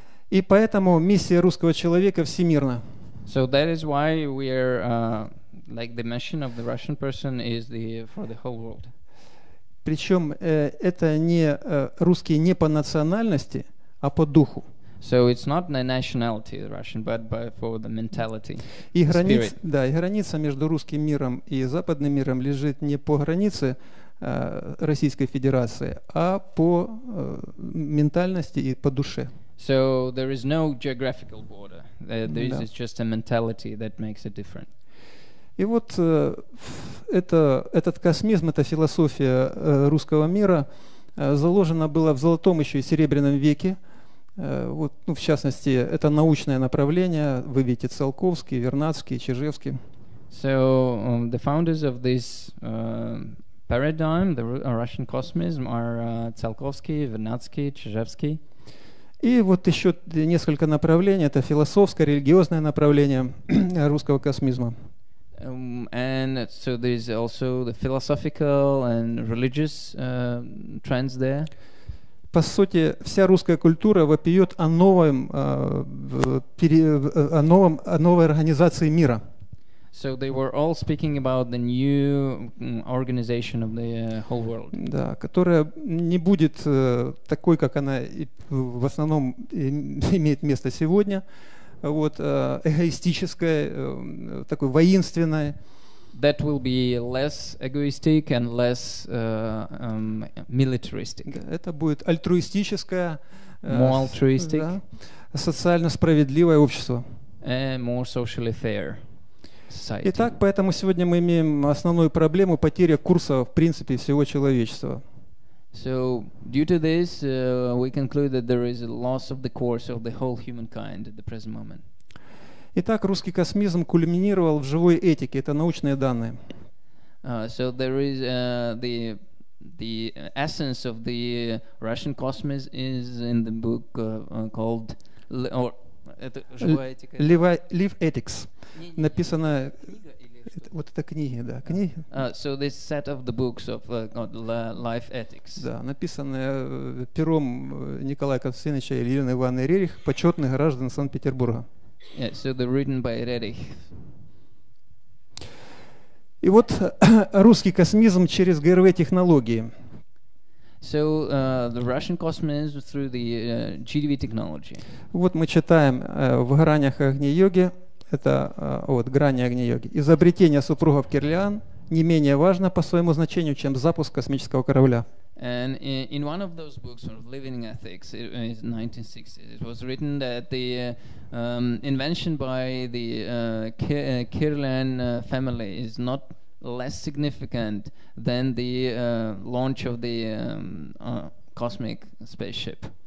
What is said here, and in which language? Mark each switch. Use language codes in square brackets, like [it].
[ru] И поэтому миссия русского человека всемирна. [en] So that is why we are like the mission of the Russian person is the for the whole world. [ru] Причем это не русские не по национальности, а по духу. [en] So it's not the nationality of the Russian, but by for the mentality. [ru] И границ, да, и граница между русским миром и западным миром лежит не по границе Российской Федерации, а по ментальности и по душе. [en] So there is no geographical border. There is just a mentality that makes it different. [ru] И вот этот космизм, эта философия русского мира заложена была в золотом еще и серебряном веке. В частности, это научное направление. Вы видите Циолковский, Вернадский, Чижевский. [en] So the founders of this paradigm, the Russian cosmism, are Циолковский, Вернадский, Чижевский. [ru] И вот еще несколько направлений. Это философское, религиозное направление русского космизма. [en] And so there is also the philosophical and religious trends there. [ru] По сути, вся русская культура вопиет о новом, о новой организации мира. [en] So they were all speaking about the new organization of the whole world. [ru] Да, которая не будет такой, как она в основном имеет место сегодня. Вот эгоистической, такой воинственной. [en] That will be less egoistic and less militaristic. [ru] Да, это будет альтруистическое, [en] more altruistic, [ru] да, социально справедливое общество. [en] A more socially fair. Society. [ru] Итак, поэтому сегодня мы имеем основную проблему — потеря курса в принципе всего человечества. [en] So due to this, we conclude that there is a loss of the course of the whole humankind at the present moment. [ru] Итак, русский космизм кульминировал в живой этике. Это научные данные. [en] So there is the essence of the Russian cosmos is in the book called or [ru] это живая этика. [en] Live Ethics. [ru] Написано это, вот это книги, да, книги. [en] So this set of the books of Life Ethics. [ru] Да, написанное пером Николая Константиновича и Елены Ивановны Рерих, почетных граждан Санкт-Петербурга. [en] Yeah, so they're written by Rerich. [ru] И вот русский космизм через ГРВ технологии. [en] So the Russian cosmos through the GDV technology. [ru] Вот мы читаем в гранях огня йоги. Это вот грани огня йоги. Изобретение супругов Кирлиан не менее важно по своему значению, чем запуск космического корабля. [en] And in one of those books of Living Ethics, it was 1960s, it was written that the invention by the Kirlian family is not less significant than the launch of the cosmic spaceship.